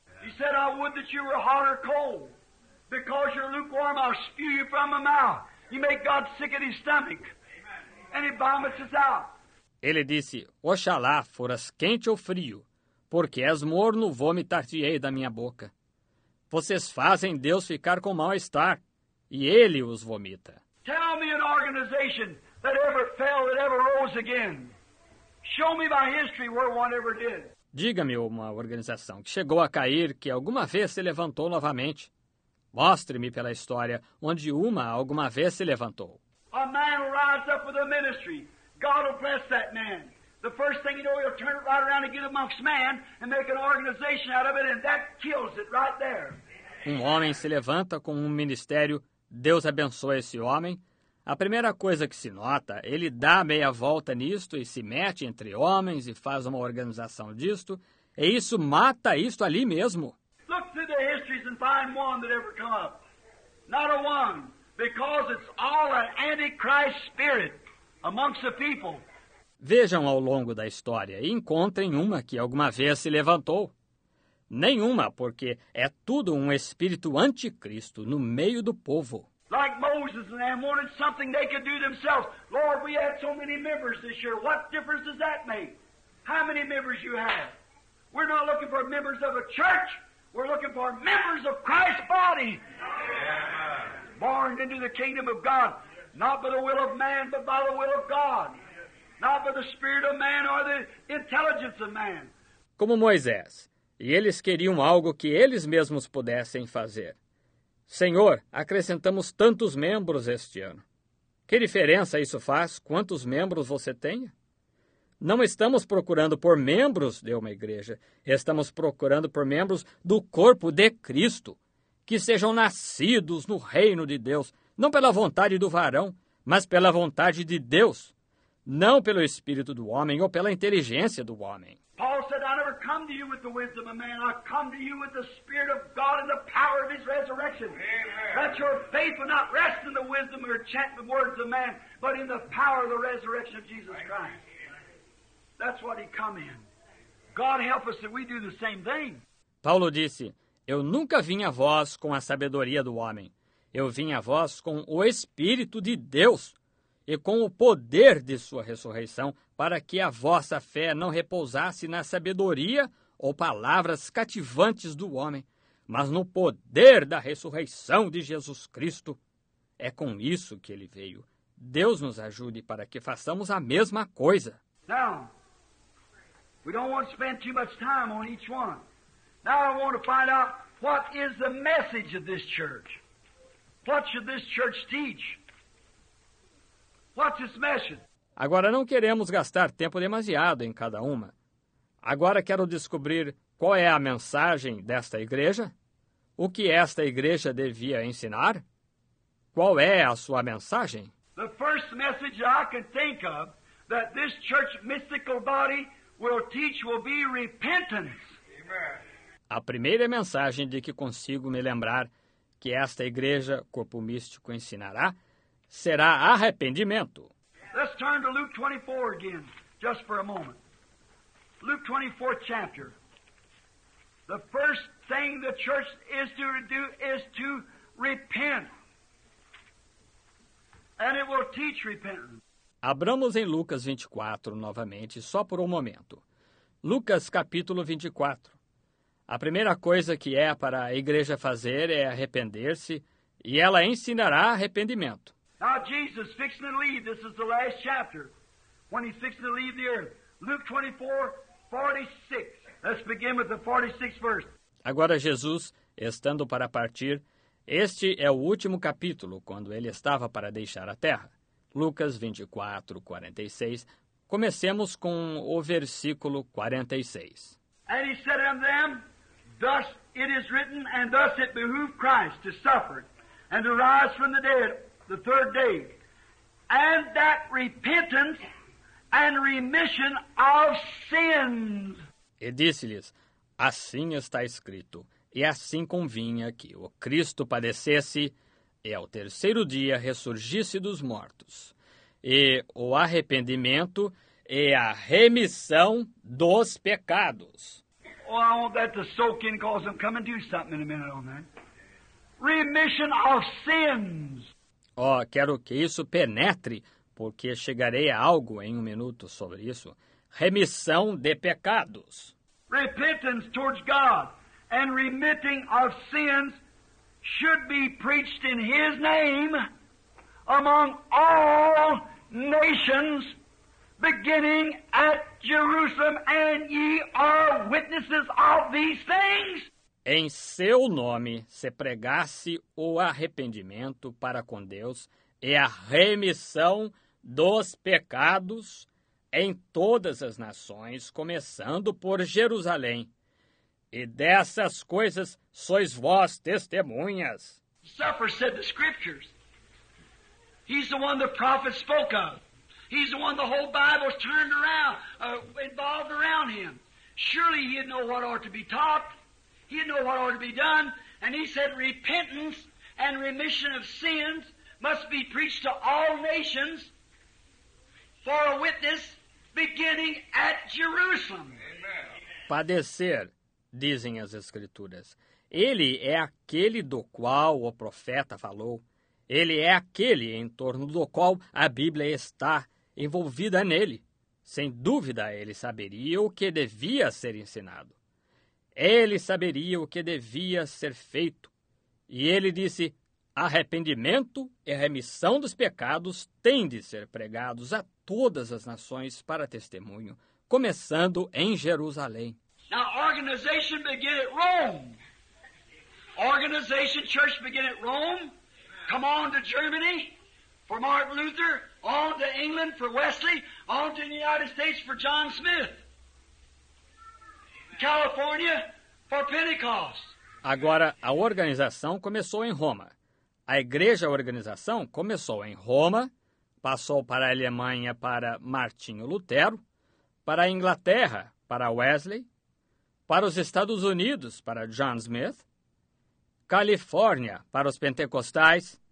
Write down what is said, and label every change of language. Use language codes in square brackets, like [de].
[en] He said, I would that you were hot or cold. Because you're lukewarm, I'll spew you from my mouth. You make God sick at his stomach. And he vomits us out. [pt] Ele disse, oxalá foras quente ou frio, porque és morno, vomitar-te-ei da minha boca. Vocês fazem Deus ficar com mal-estar, e ele os vomita. [en] Tell me an organization that ever fell, that ever rose again. Show me by history where one ever did. [pt] Diga-me uma organização que chegou a cair, que alguma vez se levantou novamente. Mostre-me pela história onde uma alguma vez se levantou. [en] A man will rise up with a ministry. God will bless that man. The first thing you know, he'll turn it right around and get amongst man and make an organization out of it, and that kills it right there. [pt] Um homem se levanta com um ministério. Deus abençoa esse homem. A primeira coisa que se nota, ele dá meia volta nisto e se mete entre homens e faz uma organização disto, e isso mata isto ali mesmo. [en] Look through the histories and find one that ever come up. Not a one, because it's all an antichrist spirit amongst the people. [pt] Vejam ao longo da história e encontrem uma que alguma vez se levantou. Nenhuma, porque é tudo um espírito anticristo no meio do povo. [en] Like Moses and them wanted something they could do themselves. Lord, we had so many members this year. What difference does that make? How many members you have? We're not looking for members of a church. We're looking for members of Christ's body. Yeah. Born into the kingdom of God. Not by the will of man, but by the will of God. Not by the spirit of man or the intelligence of man. [pt] Como Moisés. E eles queriam algo que eles mesmos pudessem fazer. Senhor, acrescentamos tantos membros este ano. Que diferença isso faz quantos membros você tenha? Não estamos procurando por membros de uma igreja. Estamos procurando por membros do corpo de Cristo, que sejam nascidos no reino de Deus, não pela vontade do varão, mas pela vontade de Deus, não pelo espírito do homem ou pela inteligência do homem. [en] Paul said, I never come to you with the wisdom of man. I come to you with the Spirit of God and the power of His resurrection. Amen. That your faith will not rest in the wisdom or enchantment words of man, but in the power of the resurrection of Jesus Christ. That's what He come in. God help us that we do the same thing. [pt] Paulo disse, eu nunca vim a vós com a sabedoria do homem. Eu vim a vós com o Espírito de Deus e com o poder de sua ressurreição, para que a vossa fé não repousasse na sabedoria ou palavras cativantes do homem, mas no poder da ressurreição de Jesus Cristo. É com isso que ele veio. Deus nos ajude para que façamos a mesma coisa. [en] Now, we don't want to spend too much time on each one. Now I want to find out what is the message of this church. What should this church teach? What's its message? [pt] Agora não queremos gastar tempo demasiado em cada uma. Agora quero descobrir qual é a mensagem desta igreja. O que esta igreja devia ensinar? Qual é a sua mensagem? [en] The first message I can think of that this church mystical body will teach will be repentance. Amen. [pt] A primeira mensagem de que consigo me lembrar que esta igreja corpo místico ensinará será arrependimento. [en] Let's turn to Luke 24 again, just for a moment. Luke 24 chapter. The first thing the church is to do is to repent. And it will teach repentance. [pt] Abramos em Lucas 24 novamente, só por um momento. Lucas capítulo 24. A primeira coisa que é para a igreja fazer é arrepender-se, e ela ensinará arrependimento. [en] Now Jesus fixing to leave, this is the last chapter, when he's fixing to leave the earth. Luke 24:46. Let's begin with the 46th verse. [pt] Agora Jesus, estando para partir, este é o último capítulo, quando ele estava para deixar a terra. Lucas 24:46. Comecemos com o versículo 46. [en] And he said unto them, thus it is written, and thus it behooved Christ to suffer, and to rise from the dead the third day, and that repentance and remission of sins. [pt] E disse-lhes, assim está escrito, e assim convinha que o Cristo padecesse, e ao terceiro dia ressurgisse dos mortos, e o arrependimento e a remissão dos pecados. [en] Well, I want that to soak in, cause I'm coming to do something in a minute on that. Remission of sins. [pt] Oh, quero que isso penetre, porque chegarei a algo em um minuto sobre isso. Remissão de pecados. [en] Repentance towards God and remitting of sins should be preached in His name among all nations, beginning at Jerusalem, and ye are witnesses of these things. [pt] Em seu nome se pregasse o arrependimento para com Deus e a remissão dos pecados em todas as nações, começando por Jerusalém. E dessas coisas sois vós testemunhas. [en] Suffer, said the scriptures. He's the one the prophet spoke of. He's the one the whole Bible turned around, involved around him. Surely he'd know what ought to be taught. He'd know what ought to be done. And he said repentance and remission of sins must be preached to all nations for a witness beginning at Jerusalem. [pt] Padecer, dizem as Escrituras. Ele é aquele do qual o profeta falou. Ele é aquele em torno do qual a Bíblia está envolvida nele. Sem dúvida, ele saberia o que devia ser ensinado. Ele saberia o que devia ser feito. E ele disse, arrependimento e remissão dos pecados têm de ser pregados a todas as nações para testemunho, começando em Jerusalém. [en] Now, organization begin at Rome. Organization, church begin at Rome. Come on to Germany for Martin Luther. On to England for Wesley. On to the United States for John Smith. California for Pentecost. [pt] Agora, a organização começou em Roma. A igreja organização começou em Roma, passou para a Alemanha para Martinho Lutero, para a Inglaterra para Wesley, para os Estados Unidos para John Smith, Califórnia para os pentecostais.